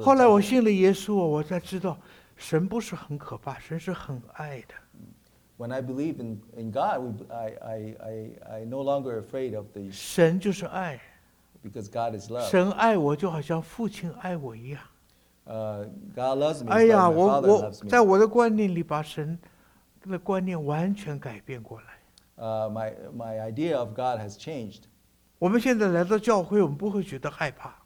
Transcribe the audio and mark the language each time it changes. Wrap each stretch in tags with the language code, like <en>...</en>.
<zh>temple. 后来我信了耶稣，我才知道神不是很可怕，神是很爱的。</zh> <en>When I believe in God, I no longer afraid of the.</en> <zh>神就是爱。</zh> <en>Because God is love.</en> <zh>神爱我就好像父亲爱我一样。</zh> <en>God loves me.</en> <zh>哎呀，我在我的观念里把神的观念完全改变过来。</zh> <en>My idea of God has changed.</en> <zh>我们现在来到教会，我们不会觉得害怕。</zh>